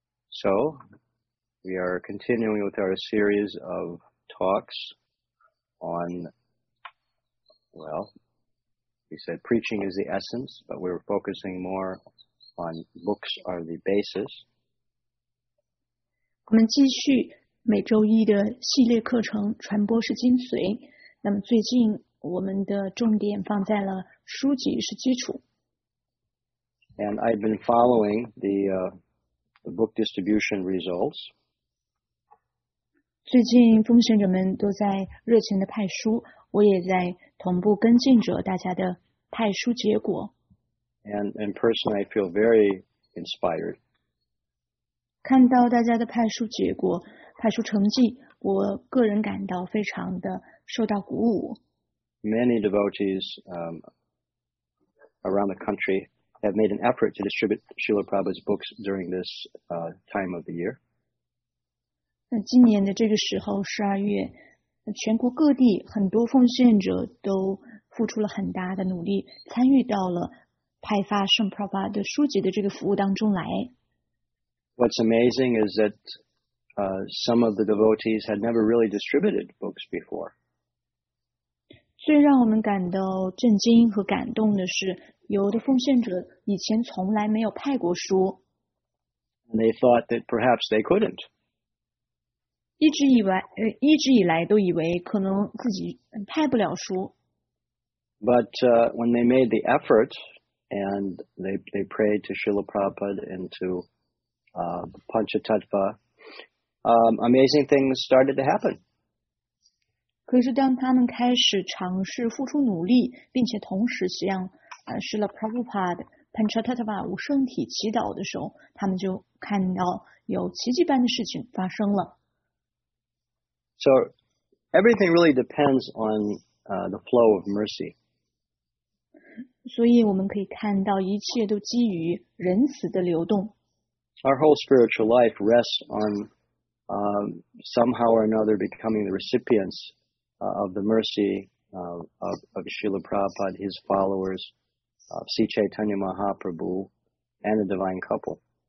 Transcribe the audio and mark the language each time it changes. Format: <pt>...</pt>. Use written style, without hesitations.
<en>So, we are continuing with our series of talks on, well, we said preaching is the essence, but we were focusing more on books are the basis.</en> <zh>我们继续每周一的系列课程，传播是精髓。那么最近我们的重点放在了书籍是基础。</zh> <en>And I've been following the book distribution results.</en> <zh>最近奉献者们都在热情的派书，我也在同步跟进着大家的派书结果。</zh> <en>And personally, I feel very inspired.</en> <zh>看到大家的派书结果、派书成绩，我个人感到非常的受到鼓舞。</zh> <en>Many devotees around the country have made an effort to distribute Srila Prabhupada's books during this time of the year.</en> <zh>今年的这个时候，十二月，全国各地很多奉献者都付出了很大的努力，参与到了派发圣 Prabhupada 的书籍的这个服务当中来。</zh> <en>What's amazing is that some of the devotees had never really distributed books before.</en> <zh>最让我们感到震惊和感动的是，有的奉献者以前从来没有派过书。</zh> <en>They thought that perhaps they couldn't.</en> <zh>一直以来都以为可能自己派不了书。</zh> <en>But when they made the effort and they prayed to Srila Prabhupada and to Panchatattva, amazing things started to happen.</en> <zh>可是当他们开始尝试付出努力，并且同时向施了 Prabhupada Panchatattva 无声体祈祷的时候，他们就看到有奇迹般的事情发生了。</zh> <en>So everything really depends on the flow of mercy.</en> <zh>所以我们可以看到一切都基于仁慈的流动。</zh> <en>Our whole spiritual life rests on somehow or another becoming the recipients of the mercy of Srila Prabhupada, his followers, of Sri Chaitanya Mahaprabhu, and the divine couple.</en>